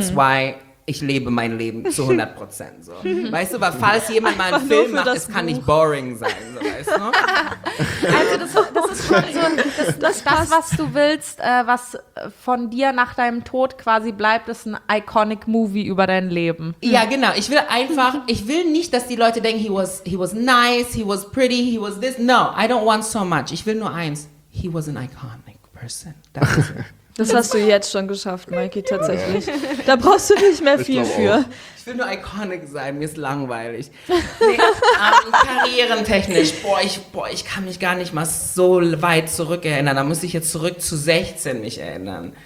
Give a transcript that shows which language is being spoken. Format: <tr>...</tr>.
<en>That's why</en> <de>ich lebe mein Leben zu 100%. So. Weißt du, weil falls jemand mal einen einfach Film macht, es kann nicht boring sein. So, weißt du? Also das ist schon so, was du willst, was von dir nach deinem Tod quasi bleibt, ist ein iconic movie über dein Leben. Ja, genau. Ich will nicht, dass die Leute denken,</de> <en>he was nice, he was pretty, he was this. No, I don't want so much.</en> <de>Ich will nur eins.</de> <en>He was an iconic person. That's it.</en> <de>Das hast du jetzt schon geschafft, Mikey, tatsächlich. Da brauchst du nicht mehr viel für. Ich will nur iconic sein, mir ist langweilig. Karrierentechnisch, ich kann mich gar nicht mal so weit zurückerinnern. Da muss ich jetzt zurück zu 16 mich erinnern.</de>